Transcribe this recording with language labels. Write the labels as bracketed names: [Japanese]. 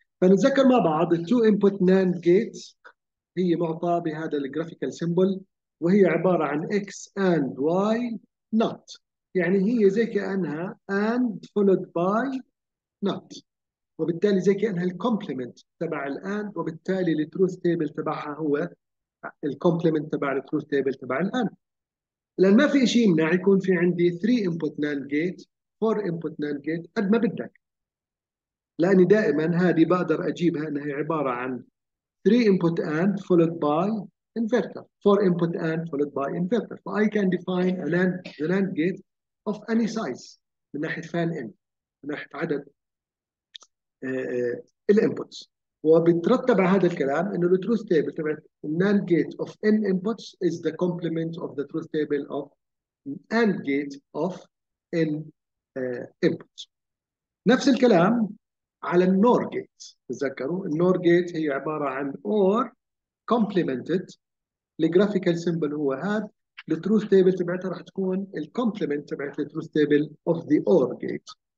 [Arabic] فنتذكر مع بعض التو انبوت ناند جيتس هي معطاه بهذا الجرافيكال سيمبل، وهي عبارة عن X and Y not، يعني هي زي كأنها [English] and followed by not، [Arabic] وبالتالي زي كأنها الكومبلمنت تبع الـ and، وبالتالي الـ truth table تبعها هو الكومبلمنت تبع الـ truth table تبع الـ and. لأن ما في شيء يمنع يكون في عندي 3 input NAND gate 4 input NAND gate قد ما بدك، لأني دائما هذه بقدر أجيبها أنها عبارة عن [English] 3 input and followed by inverter، 4 input and followed by inverter. So I can define a NAND, the NAND gate of any size من ناحية fan in، [Arabic] من ناحية عدد الانبوتس. وبترتب على هذا الكلام انه [English] التروث تيبل تبع الناند gate of N inputs is the complement of the truth table of AND gate of N inputs. [Arabic] نفس الكلام على النور جيت، تذكروا النور جيت هي عباره عن اور كومبلمنتد، الجرافيكال سيمبل هو هذا، التروث تيبل تبعتها راح تكون الكومبلمنت تبعت التروث تيبل اوف ذا اور جيت.